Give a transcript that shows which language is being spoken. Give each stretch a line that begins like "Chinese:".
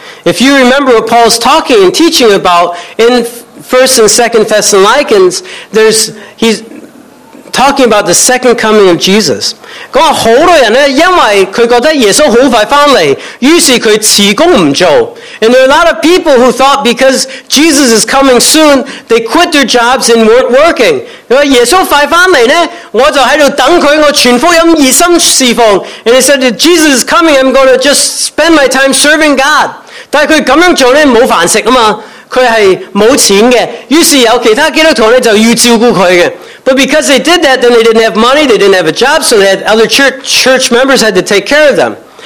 English: If you remember what Paul's talking and teaching about in 1st and 2nd Thessalonians, he's talking about the second coming of Jesus.
Chinese: 说很多人因为他觉得耶稣很快回来,于是他辞工不做。
English: And there are a lot of people who thought because Jesus is coming soon, they quit their jobs and weren't working.
Chinese: 耶稣快回来呢,我就在等他,我全福音热心侍奉。
English: And he said, if Jesus is coming, I'm going to just spend my time serving God.
Chinese: 但他这样做没饭吃,他是没钱的,于是有其他基督徒就要照顾他的。
English: But because they did that, then they didn't have money, they didn't have a job, so they had other church members had to take care of them.